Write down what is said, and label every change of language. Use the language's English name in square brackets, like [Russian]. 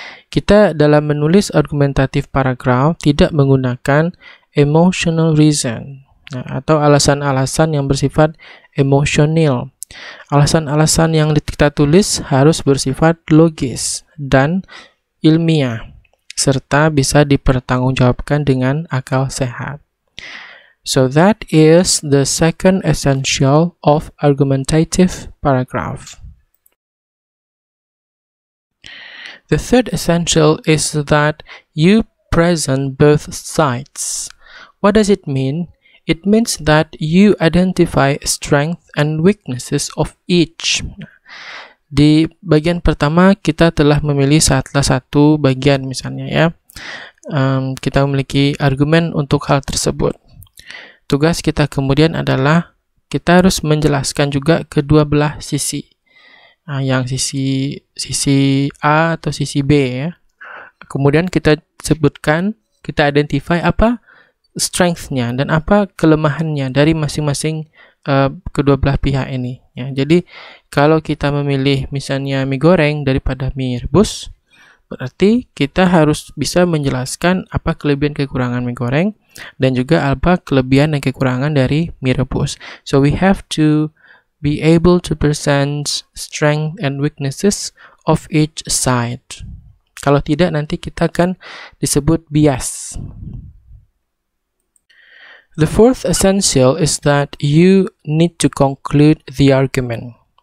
[Indonesian] Kita dalam menulis argumentative paragraph tidak menggunakan emotional reason atau alasan-alasan yang bersifat emosional. Alasan-alasan yang kita tulis harus bersifat logis dan ilmiah, serta bisa dipertanggungjawabkan dengan akal sehat. [English] So that is the second essential of argumentative paragraph. The third essential is that you present both sides. What does it mean? It means that you identify strengths and weaknesses of each. [Indonesian] Di bagian pertama kita telah memilih salah satu bagian misalnya ya. Kita memiliki argumen untuk hal tersebut. Tugas kita kemudian adalah kita harus menjelaskan juga kedua belah sisi. Nah, yang sisi A atau sisi B ya. Kemudian kita sebutkan, kita identify apa strength-nya dan apa kelemahannya dari masing-masing kedua belah pihak ini. Ya, jadi, kalau kita memilih misalnya mie goreng daripada mie rebus, berarti kita harus bisa menjelaskan apa kelebihan kekurangan mie goreng dan juga apa kelebihan dan kekurangan dari mie rebus. [English] So, we have to be able to present strength and weaknesses of each side. [Indonesian] Kalau tidak, nanti kita akan disebut bias. [English] The fourth essential is that you need to conclude the argument.